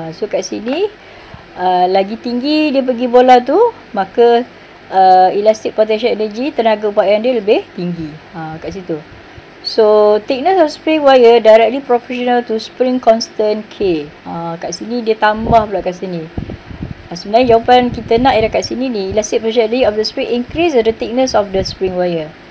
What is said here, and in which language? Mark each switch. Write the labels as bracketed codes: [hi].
[ms] So kat sini lagi tinggi dia pergi bola tu, maka elastic potential energy, tenaga upayaan dia lebih tinggi. Kat situ. [en] So, thickness of spring wire directly proportional to spring constant K. [ms] Kat sini dia tambah pula kat sini. Sebenarnya jawapan kita nak ialah kat sini ni. [en] Elastic potential energy of the spring increase the thickness of the spring wire.